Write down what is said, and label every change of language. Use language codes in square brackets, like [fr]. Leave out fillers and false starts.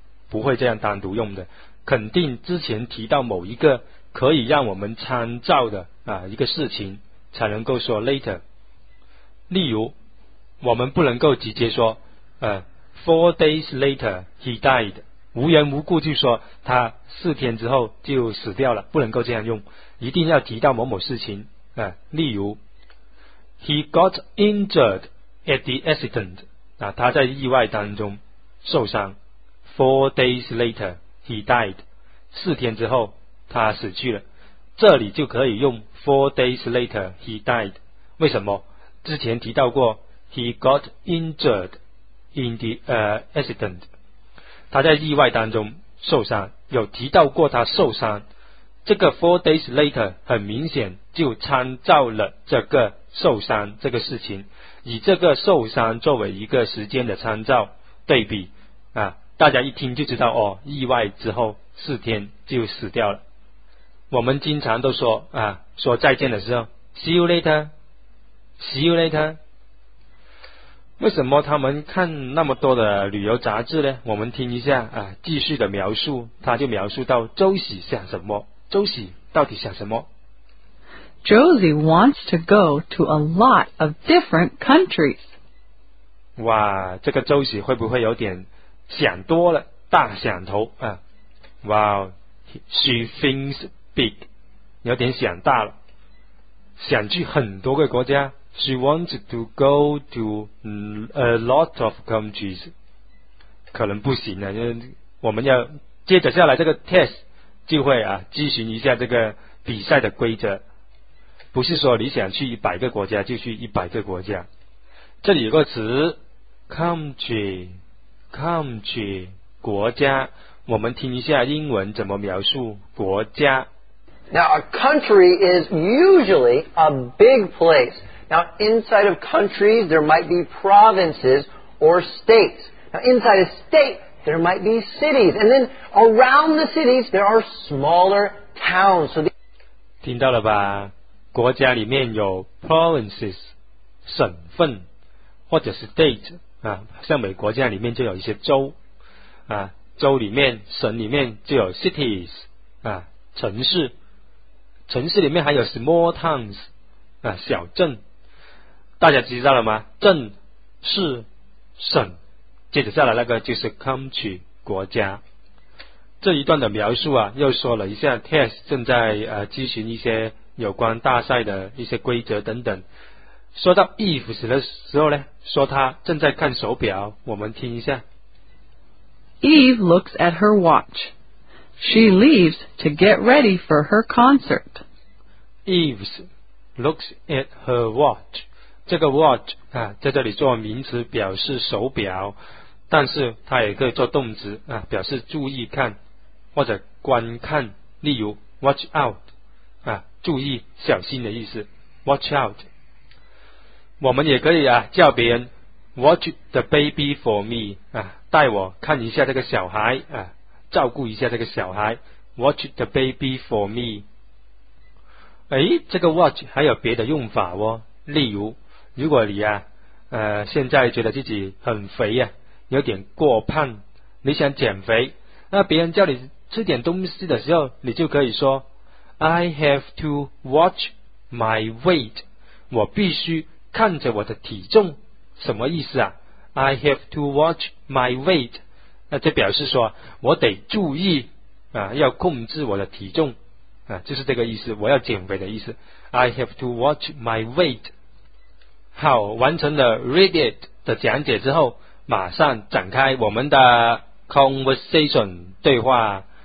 [zh] 不会这样单独用的，肯定之前提到某一个可以让我们参照的啊一个事情，才能够说 later。例如，我们不能够直接说， [en] four days later he died， [zh] 无缘无故就说他四天之后就死掉了，不能够这样用，一定要提到某某事情啊。例如 ， [en] he got injured at the accident， [zh] 啊，他在意外当中受伤。 [en] Four days later, he died. [zh] 四天之后，他死去了。这里就可以用 [en] four days later, he died. [zh] 为什么？之前提到过 [en] ，he got injured in the accident. [zh] 他在意外当中受伤，有提到过他受伤。这个 four days later 很明显就参照了这个受伤这个事情，以这个受伤作为一个时间的参照对比啊。大家一听就知道，哦，意外之后四天就死掉了。我们经常都说啊，说再见的时候 ， [en] see you later， see you later。 [zh] 为什么他们看那么多的旅游杂志呢？我们听一下啊，继续的描述，他就描述到周喜想什么，周喜到底想什么 [en] ？Josie wants to go to a lot of different countries。 [zh] 哇，这个周喜会不会有点？想多了，大想头啊！哇、wow, ， [en] She thinks big， [zh] 有点想大了，想去很多个国家。 [en] She wants to go to a lot of countries， [zh] 可能不行了，因为我们要接着下来这个 test 就会啊，咨询一下这个比赛的规则。不是说你想去一百个国家就去一百个国家，这里有个词 country。 Country 国家，我们听一下英文怎么描述国家。 [en] Now a country is usually a big place. Now inside of countries there might be provinces or states. Now inside a state there might be cities, and then around the cities there are smaller towns. So [zh] 听到了吧？国家里面有 provinces 省份或者 state。啊，像美国这样里面就有一些州，啊，州里面、省里面就有 cities， 啊，城市，城市里面还有 small towns， 啊，小镇，大家知道了吗？镇、市、省，接着下来那个就是 country 国家。这一段的描述啊，又说了一下 test 正在咨询一些有关大赛的一些规则等等。说到 if 时的时候呢，说他正在看手表，我们听一下。 [en] Eve looks at her watch. She leaves to get ready for her concert. Eve looks at her watch. [zh] 这个 watch 啊，在这里做名词表示手表，但是它也可以做动词啊，表示注意看或者观看。例如 [en] watch out [zh] 啊，注意小心的意思 ，watch out。我们也可以啊，叫别人 [en] watch the baby for me [zh] 啊，带我看一下这个小孩啊，照顾一下这个小孩 ，watch the baby for me。哎，这个 watch 还有别的用法哦，例如，如果你啊，现在觉得自己很肥啊，有点过胖，你想减肥，那别人叫你吃点东西的时候，你就可以说 ， [en] I have to watch my weight， [zh] 我必须。看着我的体重，什么意思啊 ？ [en] I have to watch my weight， [zh] 那这表示说我得注意啊，要控制我的体重啊，就是这个意思，我要减肥的意思。 [en] I have to watch my weight。 [zh] 好，完成了 read it 的讲解之后，马上展开我们的 conversation 对话。